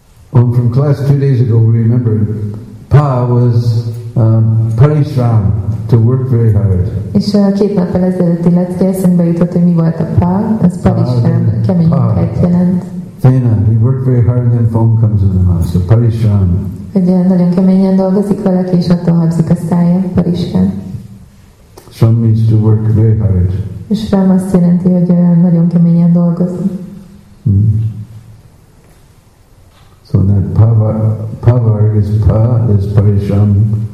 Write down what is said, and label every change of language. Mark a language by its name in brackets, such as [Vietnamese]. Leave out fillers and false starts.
[English] From class 2 days ago, we remembered Pa was Parishram, to work very hard. [Hungarian] És a két nappal ezelőtti lecke eszembe jutott, hogy mi volt a Pa, az Parishram, kemény munkát jelent. [English] Fena, he worked very hard and then foam comes in the mouth, so Parishram. [Hungarian] Hogy nagyon keményen dolgozik valaki, és attól habzik a szája, Parishram. [English] Shram means to work very hard. [Hungarian] És Shram azt jelenti, hogy nagyon keményen dolgozik. [English] So that pavar is Parishram,